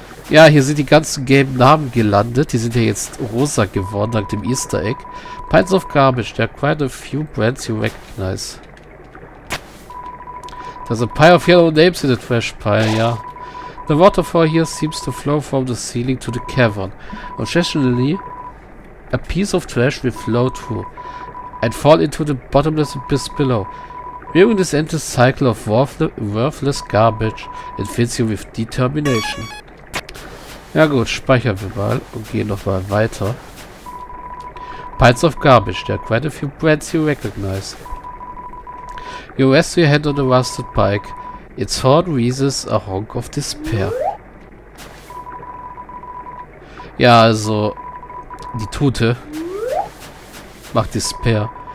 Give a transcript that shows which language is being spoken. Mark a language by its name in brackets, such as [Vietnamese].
[German] Ja, hier sind die ganzen gelben Namen gelandet. Die sind ja jetzt rosa geworden, dank dem Easter Egg. [English] Piles of garbage. There are quite a few brands you recognize. There's a pile of yellow names in the trash pile, ja. The waterfall here seems to flow from the ceiling to the cavern. Occasionally, a piece of trash will flow through and fall into the bottomless abyss below. Viewing this endless cycle of worthless garbage and fills you with determination. [German] Ja gut, speichern wir mal und gehen nochmal weiter. [English] Piles of garbage, there are quite a few brands you recognize. You rest your hand on the rusted bike. Its horn raises a honk of despair. [German] Ja, also, die Tute macht despair.